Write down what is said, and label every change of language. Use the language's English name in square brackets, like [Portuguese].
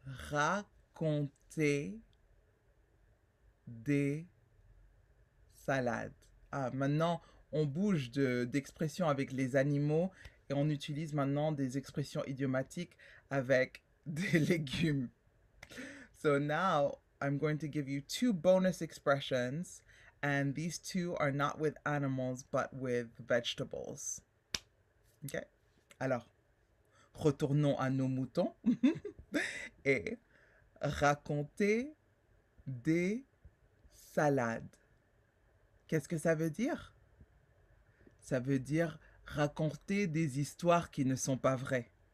[French] Raconter des salades. Ah, maintenant, on bouge d'expression avec les animaux et on utilise maintenant des expressions idiomatiques avec des légumes. [English] So now, I'm going to give you two bonus expressions. And these two are not with animals, but with vegetables. Okay? [French] Alors, retournons à nos moutons et raconter des salades. Qu'est-ce que ça veut dire? Ça veut dire raconter des histoires qui ne sont pas vraies.